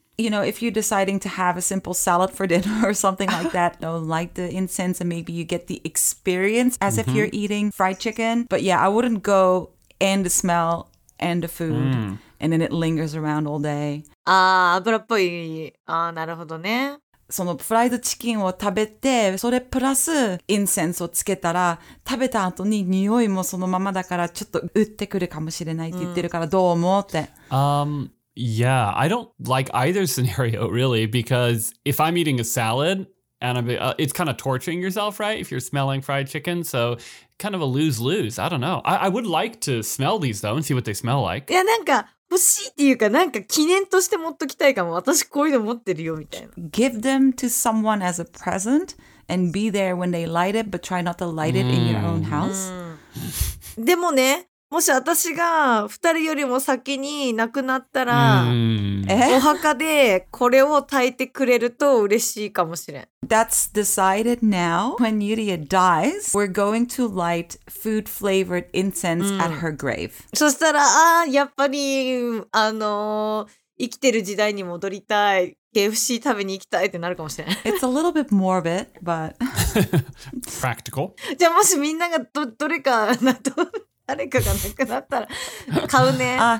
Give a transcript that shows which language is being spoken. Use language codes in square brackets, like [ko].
[en] You know, if you're deciding to have a simple salad for dinner or something like that, no, light the incense and maybe you get the experience as mm-hmm. if you're eating fried chicken. But yeah, I wouldn't go and the smell and the food and then it lingers around all day. [ja] ああ、油っぽい。ああ、なるほどね。そのフライドチキンを食べて、それプラスインセンスをつけたら、食べた後に匂いもそのままだから、ちょっと打ってくるかもしれないって言ってるから、どう思うって。 [en] Yeah, I don't like either scenario really, because if I'm eating a salad, and I'm, it's kind of torturing yourself, right? If you're smelling fried chicken, so kind of a lose-lose. I don't know. I would like to smell these though and see what they smell like. [ja] いや、なんか…欲しいっていうか、なんか記念として持っときたいかも。私こういうの持ってるよみたいな。 [en] Give them to someone as a present and be there when they light it, but try not to light it in your own house. [ja] でもね、もし私が二人よりも先に亡くなったら、お墓でこれを焚いてくれると嬉しいかもしれん。 [en] That's decided now. When Yurie dies, we're going to light food-flavored incense at her grave. [ja] そしたら、ああ、やっぱり、生きてる時代に戻りたい。 KFC 食べに行きたいってなるかもしれん。 [en] It's a little bit morbid, but... Practical. [ja] じゃあもしみんながどれか、なと。誰かが亡くなったら買うね。